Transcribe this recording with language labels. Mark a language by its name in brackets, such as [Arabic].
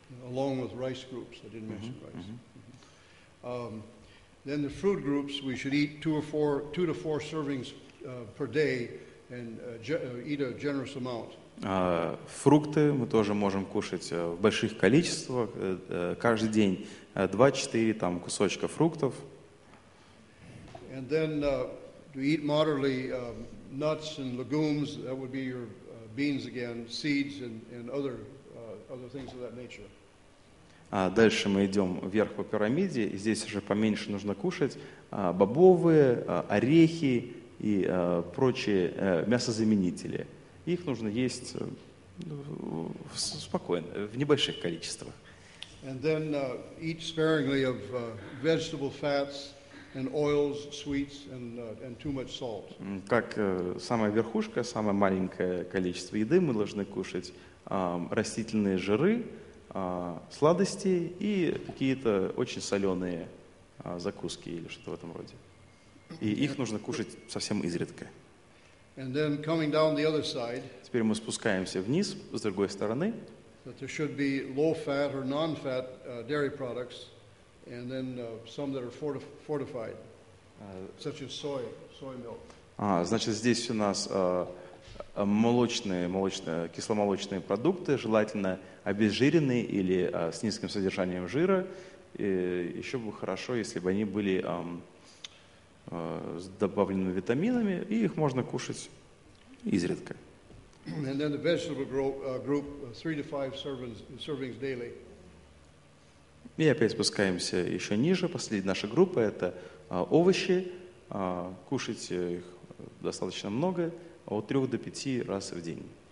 [English] Along with rice groups, I didn't mention rice. Then the fruit groups, we should eat two to four servings per day and eat a generous amount. [Russian] Фрукты мы тоже можем кушать в больших количествах каждый день 2-4 там кусочка фруктов. [English] And then to eat moderately nuts and legumes, that would be your beans again, seeds and other things of that nature. [Russian] Дальше мы идем вверх по пирамиде, и здесь уже поменьше нужно кушать бобовые, орехи и прочие мясозаменители. Их нужно есть спокойно, в небольших количествах. [English] And then eat sparingly of vegetable fats and oils, sweets and too much salt. [Russian] Как самая верхушка, самое маленькое количество еды мы должны кушать растительные жиры, сладости и какие-то очень соленые закуски или что-то в этом роде. И их нужно кушать совсем изредка. [English] And then coming down the other side, [Russian] теперь мы спускаемся вниз, с другой стороны. [English] That there should be low-fat or non-fat dairy products, and then some that are fortified, such as soy milk. [Russian] Значит, здесь у нас молочные, кисломолочные продукты, желательно обезжиренные или с низким содержанием жира. И еще бы хорошо, если бы они были с добавленными витаминами, и их можно кушать изредка. [English] And then the vegetable group, 3 to 5 servings daily. [Russian] И опять спускаемся еще ниже. Последняя наша группа – это овощи. Кушать их достаточно много, от 3 до 5 раз в день.